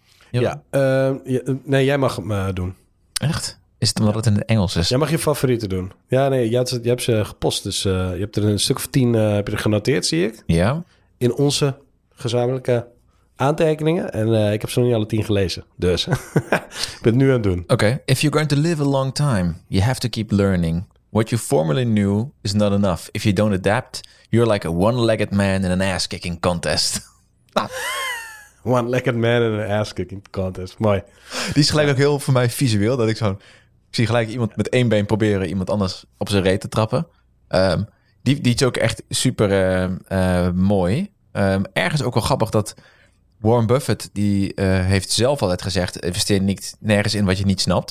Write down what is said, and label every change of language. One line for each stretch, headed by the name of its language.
Dutch: Jeroen? Ja, nee, jij mag hem doen. Echt? Is het omdat het in het Engels is? Jij mag je favorieten doen. Ja, nee, je hebt ze gepost. Dus je hebt er een stuk of 10 heb je er genoteerd, zie ik. Ja. In onze gezamenlijke aantekeningen. En ik heb ze nog niet alle 10 gelezen. Dus ik ben het nu aan het doen. Oké. Okay.
English: If you're going to live a long time, you have to keep learning. What you formerly knew is not enough. If you don't adapt, you're like a one-legged man in an ass-kicking contest. One-legged man in an ass-kicking contest.
Dutch: Mooi. Die is gelijk ook heel voor mij visueel. Dat ik zo'n... Ik zie gelijk iemand met één been proberen iemand anders op zijn reet te trappen. Die is ook echt super mooi. Ergens ook wel grappig dat Warren Buffett, die heeft zelf altijd gezegd, investeer niet nergens in wat je niet snapt.